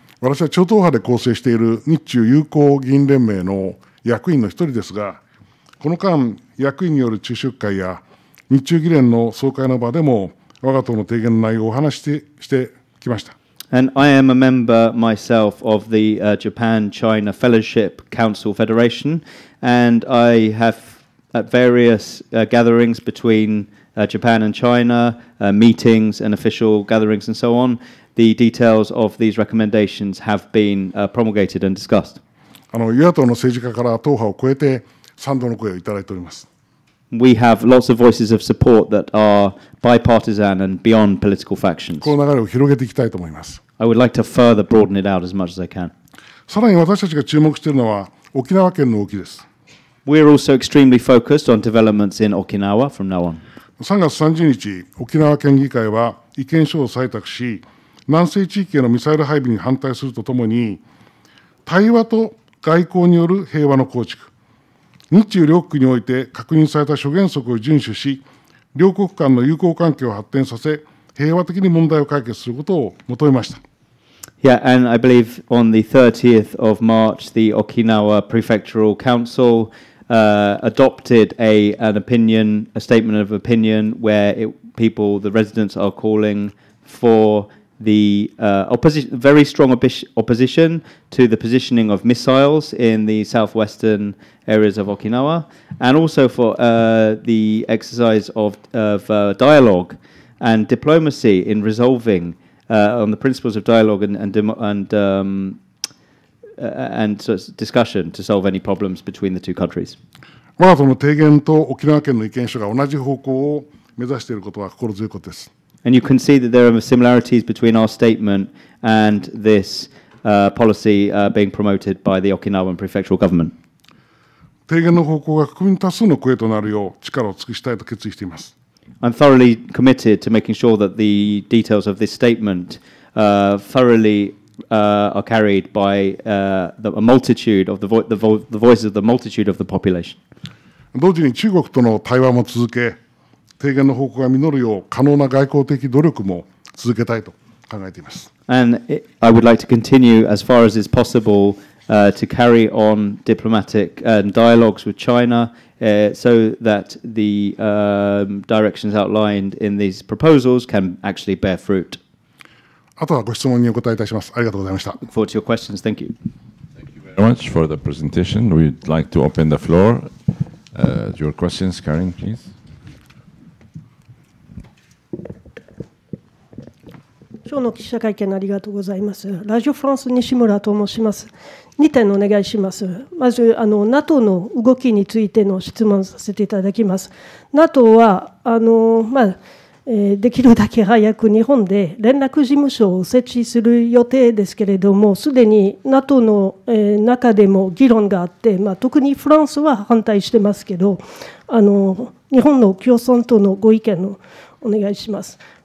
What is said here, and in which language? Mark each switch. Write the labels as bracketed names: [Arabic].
[Japanese] 私は超党派で構成している日中友好議員連盟の役員の一人ですが、この間、役員による昼食会や日中議連の総会の場でも、我が党の提言の内容をお話してきました。 [English] And I am a member myself of the Japan-China Fellowship Council Federation, and I have at various gatherings between Japan and China, meetings and official gatherings and so on, the details of these recommendations have been promulgated and discussed. [Japanese] 与野党の政治家から党派を超えて賛同の声をいただいております。 [English] We have lots of voices of support that are bipartisan and beyond political factions. [Japanese] この流れを広げていきたいと思います。 [English] I would like to further broaden it out as much as I can. [Japanese] さらに私たちが注目しているのは沖縄県の動きです。 [English] We are also extremely focused on developments in Okinawa from now on. [Japanese] 3月30日、沖縄県議会は意見書を採択し、南西地域へのミサイル配備に反対するとともに、対話と外交による平和の構築、日中両国において確認された諸原則を遵守し、両国間の友好関係を発展させ、平和的に問題を解決することを求めました。 [English] Yeah, and I believe on the 30th of March, the Okinawa Prefectural Council adopted an opinion, a statement of opinion, where the residents are calling for the opposition, very strong opposition to the positioning of missiles in the southwestern areas of Okinawa, and also for the exercise of dialogue and diplomacy in resolving on the principles of dialogue and sort of discussion to solve any problems between the two countries. [Japanese] 我が党の提言と沖縄県の意見書が同じ方向を目指していることは心強いことです。 [English] And you can see that there are similarities between our statement and this policy being promoted by the Okinawan Prefectural Government. [Japanese] 提言の方向が国民多数の声となるよう力を尽くしたいと決意しています。 [English] I'm thoroughly committed to making sure that the details of this statement thoroughly are carried by the voices of the multitude of the population. [Japanese] 同時に中国との対話も続け、提言の方向が実るよう可能な外交的努力も続けたいと考えています。 [English] And I would like to continue as far as is possible to carry on diplomatic dialogues with China so that the directions outlined in these proposals can actually bear fruit. [Japanese] あとはご質問にお答えいたします。ありがとうございました。 [English] Look forward to your questions. Thank you. Thank you very much for the presentation. We'd like to open the floor your questions, Karen, please. [Japanese] 今日の記者会見ありがとうございます。ラジオフランス西村と申します。 2点お願いします。まず、NATO の動きについての質問させていただきます。 NATO は、できるだけ早く日本で連絡事務所を設置する予定ですけれども、すでに NATO の中でも議論があって、特にフランスは反対してますけど、日本の共産党のご意見をお願いします。